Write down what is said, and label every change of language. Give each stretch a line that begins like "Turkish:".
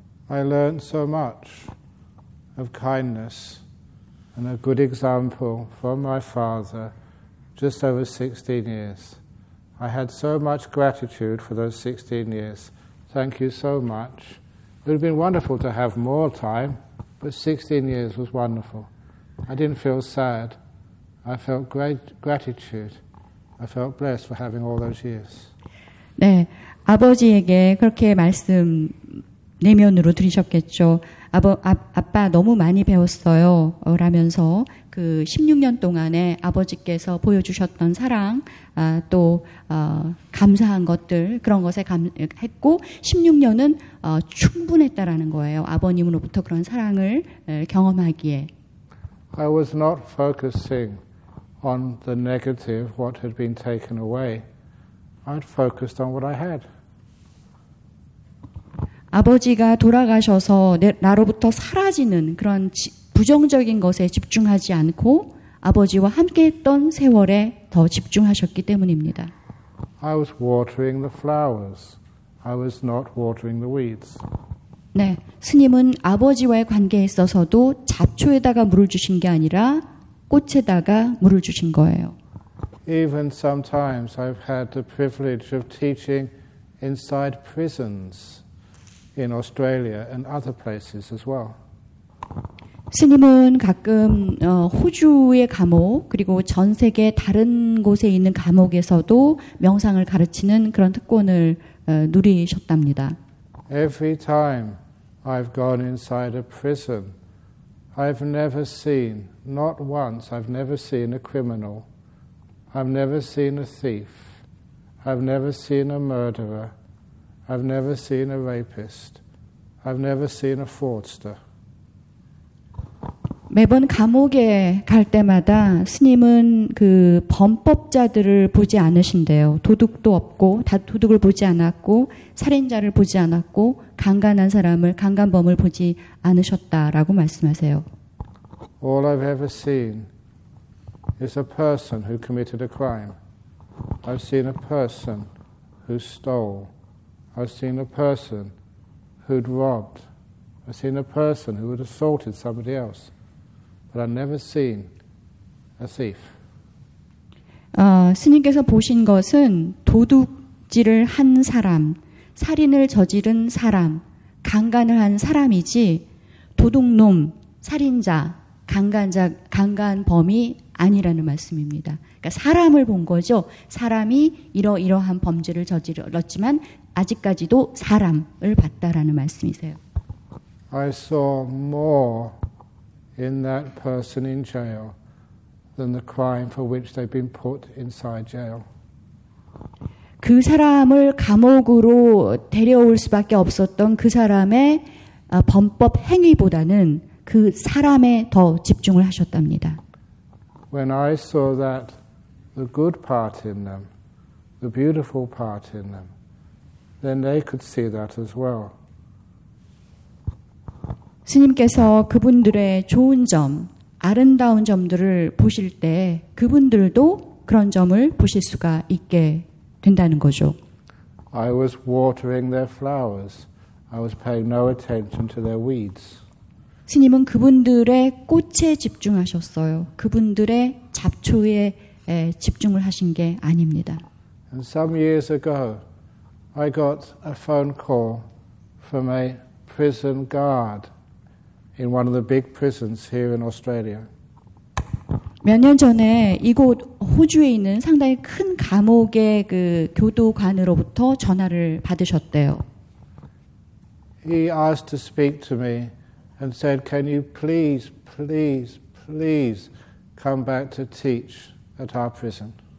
English: I learned so much of kindness and a good example from my father just over 16 years. I had so much gratitude for those 16 years. Thank you so much. It would have been wonderful to have more time, but 16 years was wonderful. I didn't feel sad. I felt great gratitude. I felt blessed for having all those years.
Korean: 네, 아버지에게 그렇게 말씀 내면으로 들으셨겠죠. 아빠 너무 많이 배웠어요. 라면서 그 16년 동안에 아버지께서 보여주셨던 사랑, 또 감사한 것들 그런 것에 했고 16년은 충분했다라는 거예요. 아버님으로부터 그런 사랑을 경험하기에.
English: I was not focusing on the negative, what had been taken away. I'd focused on what I had.
Korean: 아버지가 돌아가셔서 나로부터 사라지는 그런 부정적인 것에 집중하지 않고 아버지와 함께했던 세월에 더 집중하셨기 때문입니다.
English: I was watering the flowers. I was not watering the weeds.
Korean: 네, 스님은 아버지와의 관계에 있어서도 잡초에다가 물을 주신 게 아니라 꽃에다가 물을 주신 거예요.
English: Even sometimes I've had the privilege of teaching inside prisons in Australia and other places as well.
Korean: 스님은 가끔 호주의 감옥 그리고 전 세계 다른 곳에 있는 감옥에서도 명상을 가르치는 그런 특권을 누리셨답니다.
English: Every time I've gone inside a prison, I've never seen, not once, I've never seen a criminal. I've never seen a thief. I've never seen a murderer. I've never seen a rapist. I've never seen a fraudster.
Korean: 매번 감옥에 갈 때마다 스님은 그 범법자들을 보지 않으신대요. 도둑도 없고 도둑을 보지 않았고 살인자를 보지 않았고 강간한 사람을 강간범을 보지 않으셨다라고 말씀하세요.
English: All I've ever seen is a person who committed a crime. I've seen a person who stole. I've seen a person who'd robbed. I've seen a person who had assaulted somebody else. But I've never seen a thief.
Korean: 스님께서 보신 것은 도둑질을 한 사람, 살인을 저지른 사람, 강간을 한 사람이지 도둑놈, 살인자, 강간자, 강간범이 아니라는 말씀입니다. 그러니까 사람을 본 거죠. 사람이 이러이러한 범죄를 저질렀지만 아직까지도 사람을 봤다라는 말씀이세요.
English: I saw more in that person in jail than the crime for which they've been put inside jail.
Korean: 그 사람을 감옥으로 데려올 수밖에 없었던 그 사람의 범법 행위보다는 그 사람에 더 집중을 하셨답니다.
English: When I saw that, the good part in them, the beautiful part in them, then they could see that as well.
Korean: 스님께서 그분들의 좋은 점, 아름다운 점들을 보실 때 그분들도 그런 점을 보실 수가 있게 된다는 거죠.
English: I was watering their flowers. I was paying no attention to their weeds.
Korean: 스님은 그분들의 꽃에 집중하셨어요. 그분들의 잡초에 집중을 하신 게 아닙니다.
English: And some years ago, I got a phone call from a prison guard in one of the big prisons here in Australia.
Korean: 몇 년 전에 이곳 호주에 있는 상당히 큰 감옥의 그 교도관으로부터 전화를 받으셨대요.
English: He asked to speak to me and said, "Can you please, please, please come back to teach at our prison?"